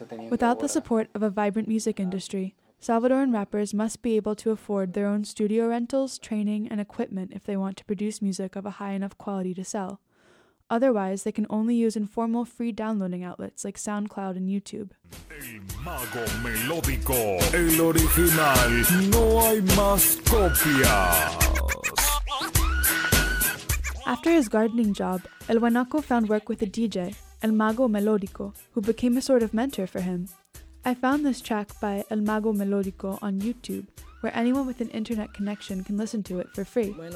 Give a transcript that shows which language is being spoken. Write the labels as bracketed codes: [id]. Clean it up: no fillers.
[en] Without the support of a vibrant music industry, Salvadoran rappers must be able to afford their own studio rentals, training, and equipment if they want to produce music of a high enough quality to sell. Otherwise, they can only use informal free downloading outlets like SoundCloud and YouTube. [es] El mago melódico, el original, no hay más copias. [en] After his gardening job, El Huanaco found work with a DJ, El Mago Melódico, who became a sort of mentor for him. I found this track by El Mago Melódico on YouTube, where anyone with an internet connection can listen to it for free.